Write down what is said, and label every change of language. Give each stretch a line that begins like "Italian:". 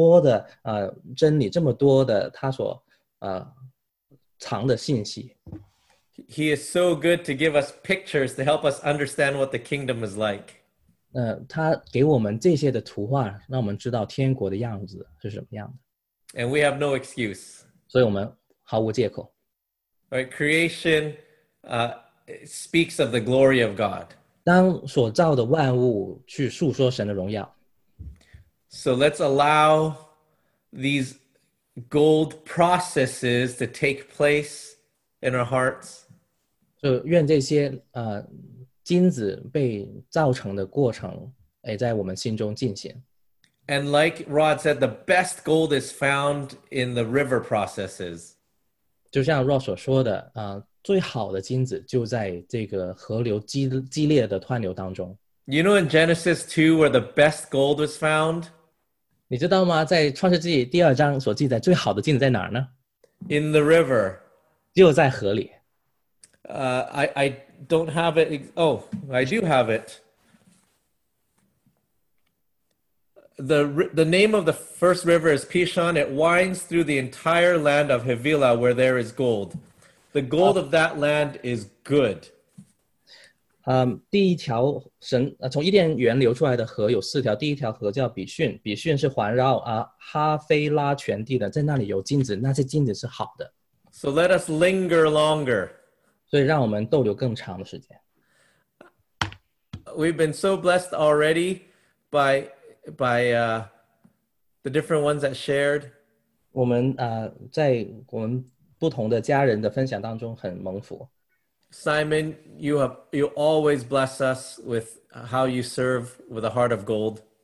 Chinese: 我在很大的敬畏惊讶当中就是创造宇宙万物的神怎么样去透过金子去说明向我们说明这么多的真理这么多的他所藏的信息。
English: He is so good to give us pictures to help us understand what the kingdom is like.
Chinese: 他给我们这些的图画，让我们知道天国的样子是什么样的。
English: And we have no excuse.
Chinese: 所以我们毫无借口。
English: Right, creation speaks of the glory of God.
Chinese: 当所造的万物去述说神的荣耀。
English: So let's allow these gold processes to take place in our hearts.
Chinese: 就愿这些金子被造成的过程在我们心中进行。
English: And like Rod said, the best gold is found in the river processes.
Chinese: 就像Rod所说的，最好的金子就在这个河流激烈的湍流当中。
English: You know in Genesis 2 where the best gold was found?
Chinese: 你知道吗？在创世纪第二章所记载最好的镜子在哪儿呢？
English: In the river.
Chinese: 就在河里。
English: I don't have it. Oh, I do have it. The name of the first river is Pishon. It winds through the entire land of Havilah where there is gold. The gold of that land is good.
Chinese: 第一条神从伊甸园流出来的河有四条，第一条河叫比逊，比逊是环绕哈菲拉全地的，在那里有金子，那些金子是好的。
English: So let us linger longer.
Chinese: 所以让我们逗留更长的时间。
English: We've been so blessed already by the different ones that shared.
Chinese: 我们在我们不同的家人的分享当中很蒙福。
English: Simon, you always bless us with how you serve with a heart of gold.